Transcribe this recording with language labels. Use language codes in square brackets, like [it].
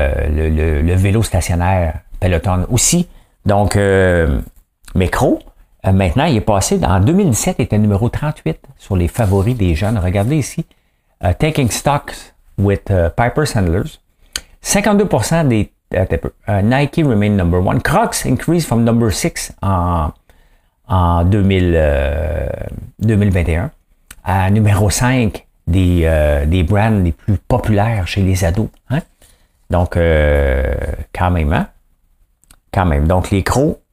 [fr] Le vélo stationnaire Peloton aussi. Donc, Mécro, maintenant, il est passé. En 2017, il était numéro 38 sur les favoris des jeunes. Regardez ici. [en] Taking stocks with Piper Sandlers. [fr] 52% des... [en] Nike remain number one. Crocs increase from number 6 [fr] en 2021. À numéro 5 des brands les plus populaires chez les ados. Hein? Donc, quand même. Hein? Quand même. Donc, les crocs...